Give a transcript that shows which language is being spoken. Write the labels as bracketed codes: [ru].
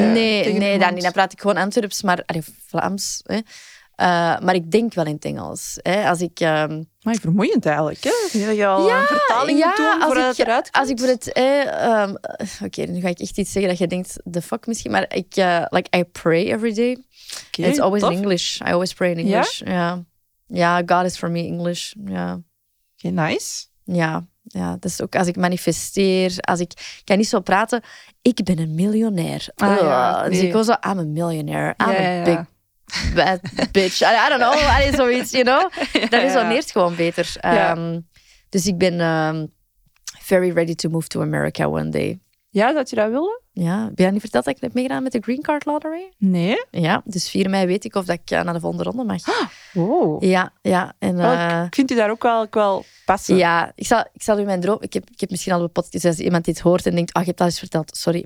[nl] Nee, dan niet. Dan praat ik gewoon Antwerps, maar Vlaams. Hè. Maar ik denk wel in het Engels. Hè? Als ik, maar vermoeiend eigenlijk. Hè? Je al een vertaling doen voordat het eruit komt. Als ik voor het... Oké, nu ga ik echt iets zeggen dat je denkt, [en] the fuck [nl] misschien. Maar ik [en] I pray every day. Okay, it's always [nl] tof. [en] In English. I always pray in English. Yeah? Yeah. Yeah, God is for me English. Yeah. Oké, okay, nice. [nl] Ja. Ja, dus ook als ik manifesteer, als ik kan niet zo praten. Ik ben een miljonair. Nee. Dus ik wil zo, [en] I'm a millionaire. I'm a big... Bad bitch. I don't know. [nl] Allee, zoiets, [en] you know? [nl] Ja, dat is dan eerst gewoon beter. Dus ik ben [en] very ready to move to America one day. [nl] Ja, dat je dat wilde? Ja. Ben je niet verteld dat ik heb meegedaan met de Green Card Lottery? Nee. Ja, dus 4 mei weet ik of dat ik naar de volgende ronde mag. Wow. Ja, ja. En, ik vind u daar ook wel passen. Ja, ik zal u mijn droom... Ik heb misschien al een pot... Dus als iemand dit hoort en denkt, ik heb dat eens verteld, sorry.